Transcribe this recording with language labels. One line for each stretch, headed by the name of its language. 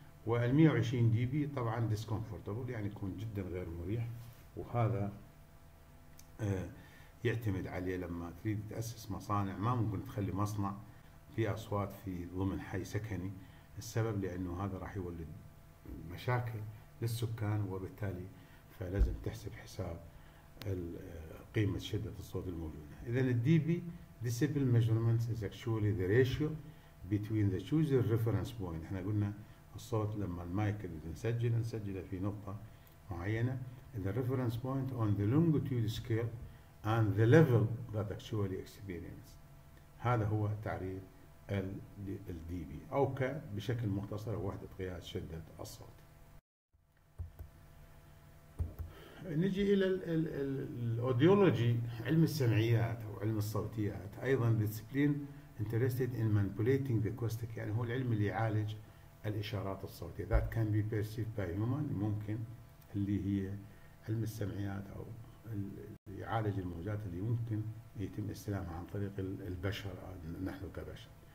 Arabic: وال 120 دي بي طبعا ديسكومفورتبل، يعني يكون جدا غير مريح، وهذا يعتمد عليه لما تريد تأسس مصانع، ما ممكن تخلي مصنع في أصوات في ضمن حي سكني، السبب لأنه هذا راح يولد مشاكل للسكان، وبالتالي فلازم تحسب حساب قيمة شدة الصوت الموجودة. إذن الدي بي
English: decibel measurements is actually the ratio between the chosen reference point.
Arabic: إحنا قلنا الصوت لما المايك نسجل نسجله في نقطة معينة.
English: The reference point on the longitude scale and the level that actually experienced.
Arabic: هذا هو تعريف الدي بي. أو بشكل مختصر وحدة قياس شدة الصوت. نجي الى الاوديولوجي، علم السمعيات او علم الصوتيات، ايضا ديسيبلين
English: interested in manipulating the acoustic,
Arabic: يعني هو العلم اللي يعالج الإشارات الصوتية
English: that can be perceived by human,
Arabic: ممكن اللي هي علم السمعيات أو يعالج الموجات اللي ممكن يتم استلامها عن طريق البشر نحن كبشر.